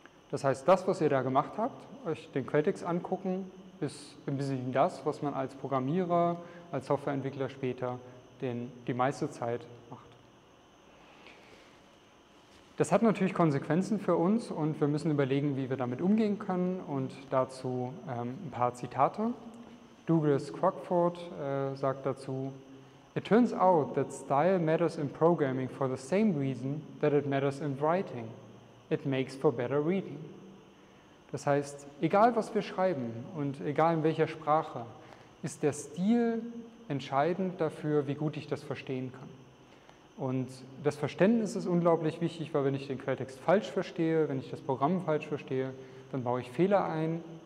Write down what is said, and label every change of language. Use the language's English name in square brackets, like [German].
[German] Das heißt, das, was ihr da gemacht habt, euch den Quelltext angucken, ist im Wesentlichen das, was man als Programmierer, als Softwareentwickler später die meiste Zeit macht. Das hat natürlich Konsequenzen für uns und wir müssen überlegen, wie wir damit umgehen können und dazu ein paar Zitate. Douglas Crockford sagt dazu, [English] "It turns out that style matters in programming for the same reason that it matters in writing. It makes for better reading." [German] Das heißt, egal was wir schreiben und egal in welcher Sprache, ist der Stil entscheidend dafür, wie gut ich das verstehen kann. Und das Verständnis ist unglaublich wichtig, weil wenn ich den Quelltext falsch verstehe, wenn ich das Programm falsch verstehe, dann baue ich Fehler ein.